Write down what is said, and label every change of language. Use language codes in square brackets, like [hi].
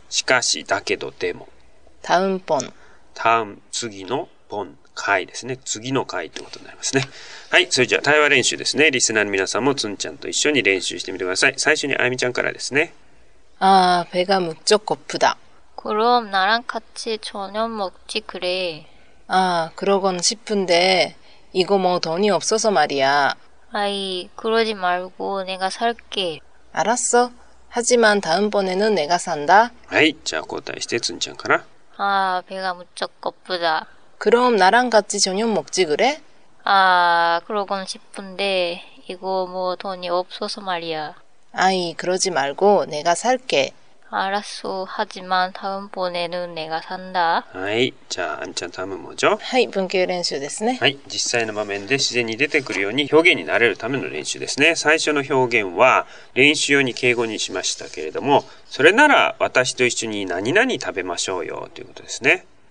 [ja] しかし、だけど、でも。 [ko] 다음번。 [ja] 다음、次の、번。回ですね。次の回ということになりますね。はい。それじゃあ、対話練習ですね。リスナーの皆さんも、つんちゃんと一緒に練習してみてください。最初に、あゆみちゃんからですね。 [ko] あー、배가むっちょこっぷだ。 그럼、나랑같이저녁먹지、그래。あー、그러곤싶은데、이거뭐돈이없어서말이야。 아이、그러지말고、내가살게。 알았어。 하지만、다음번에는내가산다。 [ja] はい。じゃあ、交代して、つんちゃんから。 [ko] あー、배가むっちょこっぷだ。 그럼나랑같이저녁먹지그래 아그러곤싶은데이거뭐돈이없어서말이야 아이그러지말고내가살게 알았어하지만다음번에는내가산다 [ja] はい、じゃあ、あんちゃん、 [ko] 다음은뭐죠 [ja] はい、文型練習ですね。はい、実際の場面で自然に出てくるように表現に慣れるための練習ですね。最初の表現は練習用に敬語にしましたけれども、それなら私と一緒に何々食べましょうよということですね。